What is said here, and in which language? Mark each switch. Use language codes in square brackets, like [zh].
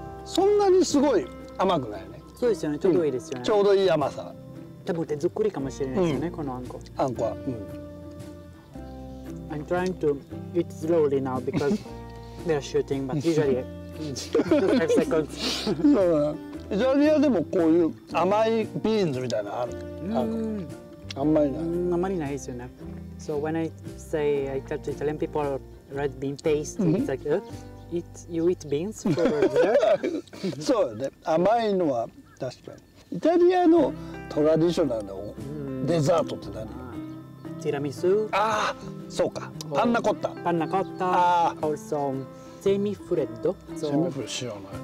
[ja] そんなにすごい甘くないね。そうですよね、ちょうどいいですよね、ちょうどいい甘さ。多分手作りかもしれないですよね、このあんこ。あんこは、 [en] I'm trying to eat slowly now because they are shooting, but usually 5 seconds. [ja] そうだな。イタリアでもこういう甘いビーンズみたいなのある、あんまりない。あんまりないですよね。 [en] So when I say I talk to Italian people red bean paste, it's like, you eat beans for dinner? [ja] そうよね、甘いのは確かに。イタリアのトラディショナルのデザートって何？ティラミス。ああ、そうか。パンナコッタ。パンナコッタ。Also, セミフレッド。セミフレッド知らない。